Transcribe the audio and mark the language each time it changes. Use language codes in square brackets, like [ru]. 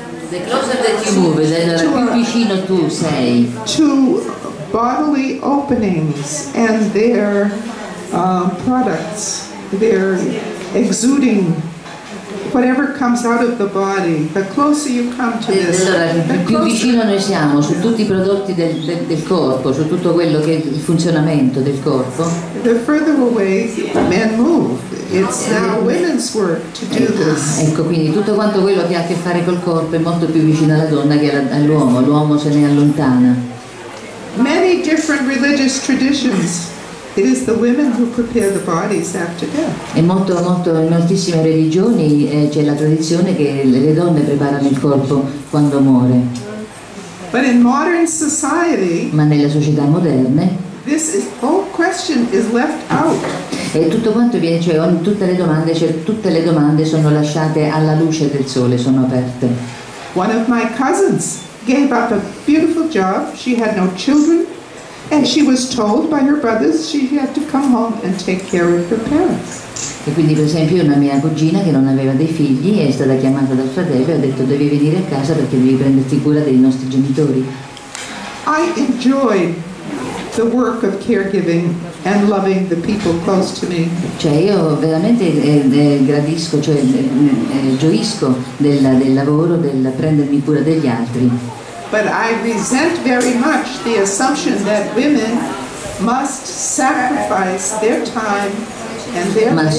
[en] The closer that you move, [it] the più vicino tu sei [en] to bodily openings and their products, they're exuding whatever comes out of the body. The closer you come to this, [it] allora, più vicino noi siamo su tutti i prodotti del corpo, su tutto quello che è il funzionamento del corpo. [en] The further away men move, it's now women's work to do this. [it] Ecco, quindi tutto quanto quello che ha a che fare col corpo è molto più vicino alla donna che all'uomo. L'uomo se ne allontana. [en] Many different religious traditions. It is the women who prepare the bodies after death. [it] E molto, molto, in moltissime religioni c'è la tradizione che le donne preparano il corpo quando muore. [en] But in modern society, [it] ma nelle società moderne, [en] this is, whole question is left out. [it] E tutto quanto viene, cioè tutte le domande sono lasciate alla luce del sole, sono aperte. [en] One of my cousins gave up a beautiful job. She had no children. And she was told by her brothers she had to come home and take care of her parents. [it] E quindi, per esempio, una mia cugina che non aveva dei figli è stata chiamata dal fratello e ha detto devi venire a casa perché devi prenderti cura dei nostri genitori. [en] I enjoy the work of caregiving and loving the people close to me. [it] Cioè io veramente gradisco, cioè gioisco del lavoro, del prendermi cura degli altri. [en] But I resent very much the assumption that women must sacrifice their time and their